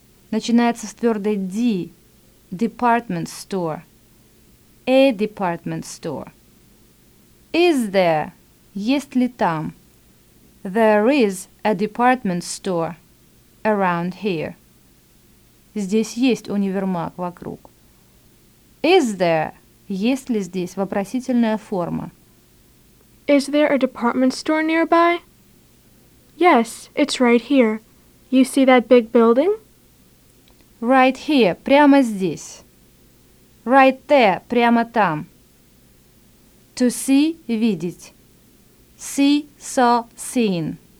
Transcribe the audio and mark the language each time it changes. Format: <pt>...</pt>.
<ru>Начинается с твердой D.</ru> <en>Department store. A department store. Is there?</en> <ru>Есть ли там?</ru> <en>There is a department store around here.</en> <ru>Здесь есть универмаг вокруг.</ru> <en>Is there?</en> <ru>Есть ли здесь вопросительная форма?</ru> <en>Is there a department store nearby? Yes, it's right here. You see that big building? Right here,</en> <ru>прямо здесь.</ru> <en>Right there,</en> <ru>прямо там.</ru> <en>To see, видеть. See, saw, seen.</en>